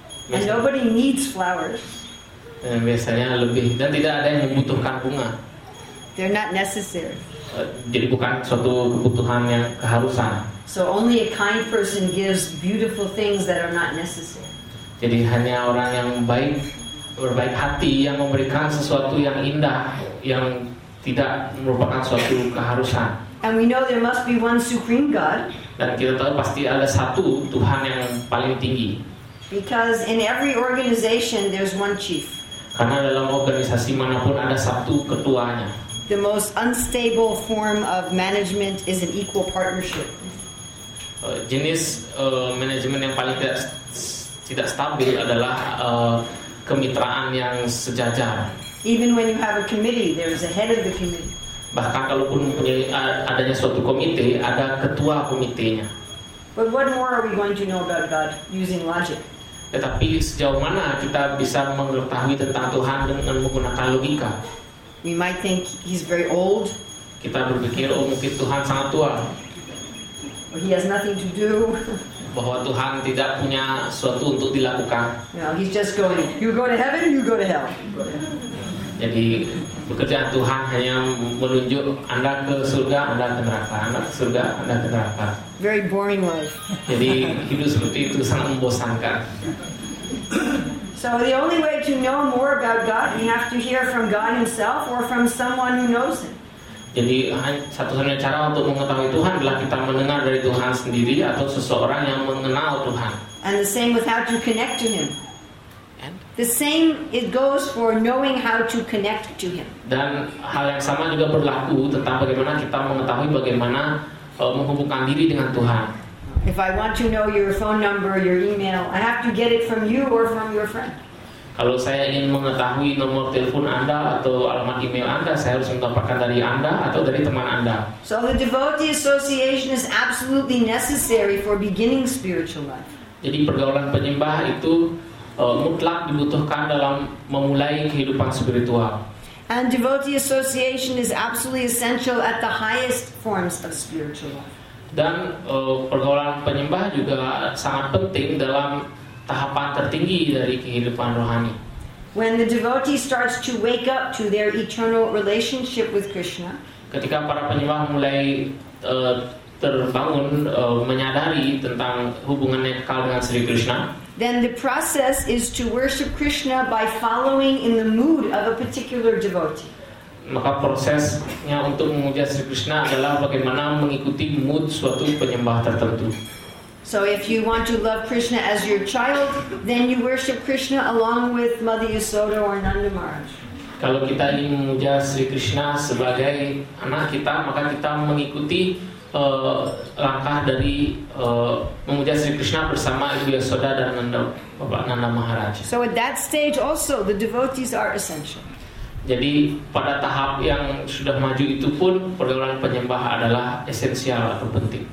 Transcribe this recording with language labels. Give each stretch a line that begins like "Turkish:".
English: And nobody needs flowers.
Indonesian: Biasanya lebih dan tidak ada yang membutuhkan bunga.
English: They're not necessary.
Indonesian: Jadi bukan suatu kebutuhan yang keharusan.
English: So only a kind person gives beautiful things that are not necessary.
Indonesian: Jadi hanya orang yang baik, berbaik hati yang memberikan sesuatu yang indah yang tidak merupakan suatu keharusan.
English: And we know there must be one supreme God.
Indonesian: Dan kita tahu pasti ada satu Tuhan yang paling tinggi.
English: Because in every organization there's one chief.
Indonesian: Karena dalam organisasi manapun ada satu ketuanya.
English: The most unstable form of management is an equal partnership.
Indonesian: Jenis manajemen yang paling tidak stabil adalah kemitraan yang sejajar.
English: Even when you have a committee, there is a head of the committee.
Indonesian: Bahkan kalaupun adanya suatu komite, ada ketua komitenya.
English: But what more are we going to know about God using logic?
Indonesian: Tetapi sejauh mana kita bisa mengetahui tentang Tuhan dengan menggunakan logika?
English: We might think he's very old.
Indonesian: Kita berpikir oh mungkin Tuhan sangat tua.
English: He has nothing to do.
Indonesian: Bahwa Tuhan tidak punya sesuatu untuk dilakukan.
English: No, he's just going. You go to heaven, you go to hell.
Indonesian: Jadi pekerjaan Tuhan hanya menunjuk Anda ke surga, Anda ke neraka. Anda ke surga, Anda ke neraka.
English: Very boring life.
Indonesian: Jadi hidup seperti itu sangat membosankan.
English: So the only way to know more about God, we have to hear from God himself or from someone who knows him.
Indonesian: Jadi satu-satunya cara untuk mengetahui Tuhan adalah kita mendengar dari Tuhan sendiri atau seseorang yang mengenal Tuhan.
English: And the same with how to connect to him. The same it goes for knowing how to connect to him.
Indonesian: Dan hal yang sama juga berlaku tentang bagaimana kita mengetahui bagaimana menghubungkan diri dengan Tuhan.
English: If I want to know your phone number, your email, I have to get it from you or from your friend.
Indonesian: Kalau saya ingin mengetahui nomor telepon Anda atau alamat email Anda, saya harus mendapatkan dari Anda atau dari teman Anda.
English: So the devotee association is absolutely necessary for beginning spiritual life.
Indonesian: Jadi pergaulan penyembah itu mutlak dibutuhkan dalam memulai kehidupan spiritual.
English: And devotee association is absolutely essential at the highest forms of spiritual life.
Indonesian: Dan pergaulan penyembah juga sangat penting dalam tahapan tertinggi dari kehidupan rohani.
English: When the devotee starts to wake up to their eternal relationship with Krishna.
Indonesian: Ketika para penyembah mulai terbangun menyadari tentang hubungannya kekal dengan Sri Krishna.
English: Then the process is to worship Krishna by following in the mood of a particular devotee.
Indonesian: Maka prosesnya untuk memuja Sri Krishna adalah bagaimana mengikuti mood suatu penyembah tertentu.
English: So if you want to love Krishna as your child, then you worship Krishna along with Mother Yasoda or Nanda Maharaj.
Indonesian: Kalau kita ingin memuja Sri Krishna sebagai anak kita, maka kita mengikuti langkah dari memuja Sri Krishna bersama Ibu Yasoda dan Bapak Nanda Maharaja.
English: So at that stage also the devotees are essential.
Indonesian: Jadi pada tahap yang sudah maju itu pun pergaulan penyembah adalah esensial atau penting.